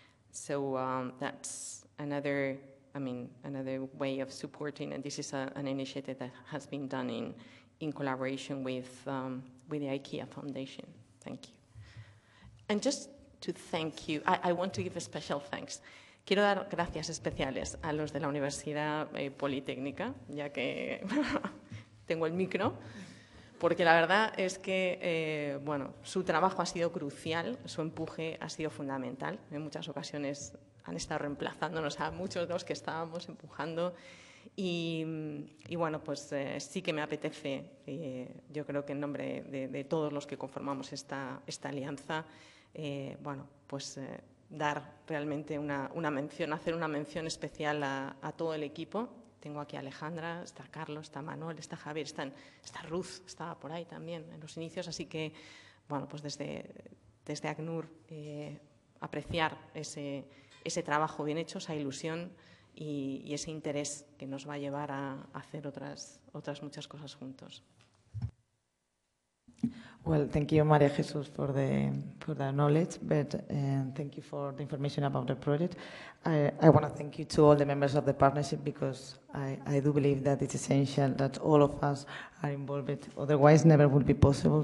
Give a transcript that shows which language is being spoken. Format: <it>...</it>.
<en>So that's another, I mean, another way of supporting, and this is an initiative that has been done in collaboration with the IKEA Foundation. Thank you. And just to thank you, I want to give a special thanks.</en> <es>Quiero dar gracias especiales a los de la Universidad Politécnica, ya que tengo el micro, porque la verdad es que bueno, su trabajo ha sido crucial, su empuje ha sido fundamental. En muchas ocasiones han estado reemplazándonos a muchos de los que estábamos empujando. Y bueno, pues sí que me apetece, yo creo que en nombre de todos los que conformamos esta alianza, bueno, pues dar realmente una mención, hacer una mención especial a todo el equipo. Tengo aquí a Alejandra, está Carlos, está Manuel, está Javier, está Ruth, estaba por ahí también en los inicios. Así que, bueno, pues desde ACNUR apreciar ese trabajo bien hecho, esa ilusión y ese interés que nos va a llevar a hacer otras muchas cosas juntos.</es> <en>Well, thank you, María Jesús, for the knowledge, but thank you for the information about the project. I want to thank you to all the members of the partnership, because I do believe that it's essential that all of us are involved, otherwise never would be possible.</en>